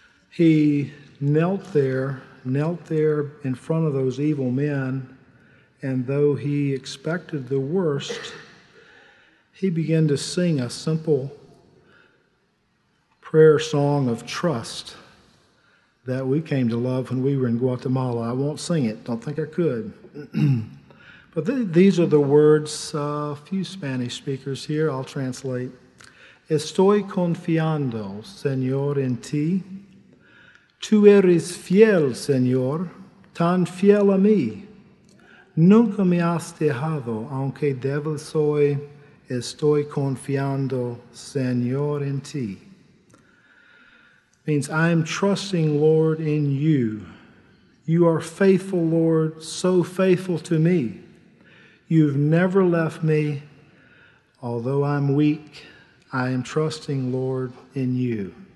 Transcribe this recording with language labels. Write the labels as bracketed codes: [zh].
[en] He knelt there in front of those evil men, and though he expected the worst, he began to sing a simple prayer song of trust that we came to love when we were in Guatemala. I won't sing it, don't think I could. But these are the words, a few Spanish speakers here, I'll translate. [es] Estoy confiando, Señor, en ti. Tú eres fiel, Señor, tan fiel a mí. Nunca me has dejado, aunque débil soy. Estoy confiando, Señor, en ti. [en] Means, I am trusting, Lord, in you. You are faithful, Lord, so faithful to me. You've never left me. Although I'm weak, I am trusting, Lord, in you.